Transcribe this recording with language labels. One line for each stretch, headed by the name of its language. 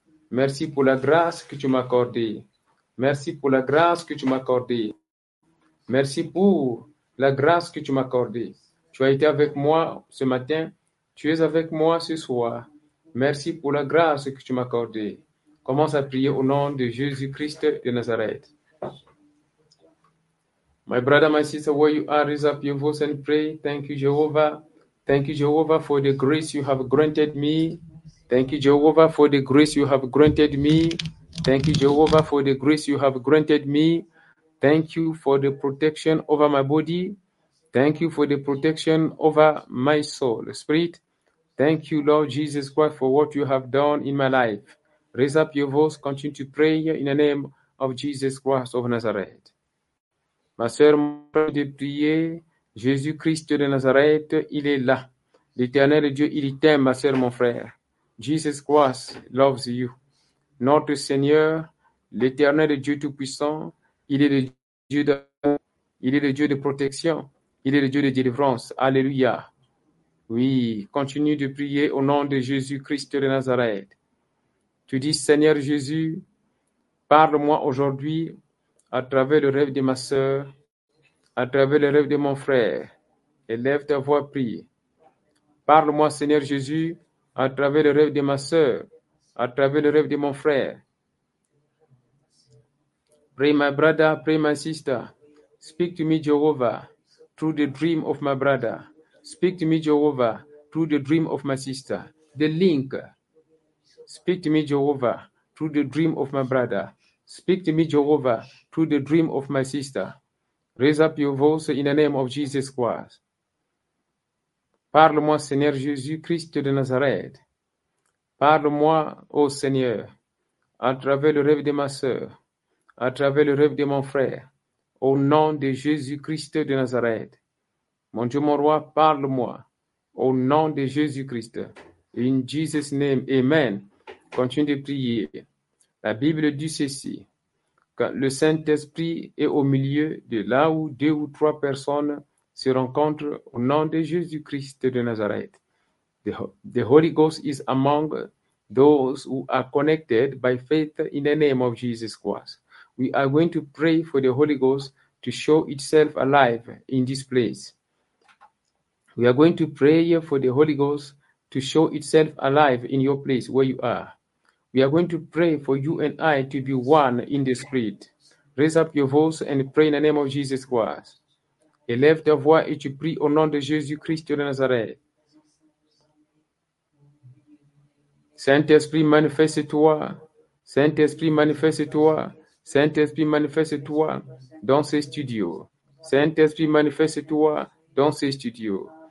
French: Merci pour la grâce que tu m'as accordée. Merci pour la grâce que tu m'as accordée. Merci pour la grâce que tu m'as accordée. Tu as été avec moi ce matin. Tu es avec moi ce soir. Merci pour la grâce que tu m'as accordée. Commence à prier au nom de Jésus-Christ de Nazareth.
English: My brother, my sister, where you are, raise up your voice and pray. Thank you, Jehovah. Thank you, Jehovah, for the grace you have granted me. Thank you, Jehovah, for the grace you have granted me. Thank you, Jehovah, for the grace you have granted me. Thank you for the protection over my body. Thank you for the protection over my soul, spirit. Thank you, Lord Jesus Christ, for what you have done in my life. Raise up your voice, continue to pray in the name of Jesus Christ of Nazareth.
French: Ma sœur, mon frère, de prier, Jésus-Christ de Nazareth, il est là. L'Éternel Dieu, il t'aime, ma sœur, mon frère.
English: Jesus Christ loves you.
French: Notre Seigneur, l'Éternel Dieu Tout-Puissant, il est le Dieu d'amour, il est le Dieu de protection, il est le Dieu de délivrance. Alléluia. Oui, continue de prier au nom de Jésus-Christ de Nazareth. Tu dis, Seigneur Jésus, parle-moi aujourd'hui à travers le rêve de ma sœur, à travers le rêve de mon frère. Élève ta voix, prie. Parle-moi, Seigneur Jésus, à travers le rêve de ma sœur, à travers le rêve de mon frère.
English: Pray, my brother, pray, my sister. Speak to me, Jehovah, through the dream of my brother. Speak to me, Jehovah, through the dream of my sister. The link. Speak to me, Jehovah, through the dream of my brother. Speak to me, Jehovah, through the dream of my sister. Raise up your voice in the name of Jesus Christ.
French: Parle-moi, Seigneur Jésus-Christ de Nazareth. Parle-moi, ô Seigneur, à travers le rêve de ma sœur, à travers le rêve de mon frère, au nom de Jésus-Christ de Nazareth. Mon Dieu, mon roi, parle-moi au nom de Jésus-Christ.
English: In Jesus' name, amen.
French: Continue de prier. La Bible dit ceci. Quand le Saint-Esprit est au milieu de là où deux ou trois personnes se rencontrent au nom de Jésus-Christ de Nazareth.
English: The Holy Ghost is among those who are connected by faith in the name of Jesus Christ. We are going to pray for the Holy Ghost to show itself alive in this place. We are going to pray for the Holy Ghost to show itself alive in your place where you are. We are going to pray for you and I to be one in the Spirit. Raise up your voice and pray in the name of Jesus Christ.
French: Élève ta voix et tu pries au nom de Jésus-Christ de Nazareth. Saint-Esprit, manifeste-toi. Saint-Esprit, manifeste-toi. Saint-Esprit, manifeste-toi dans ces studios. Saint-Esprit, manifeste-toi dans ces studios.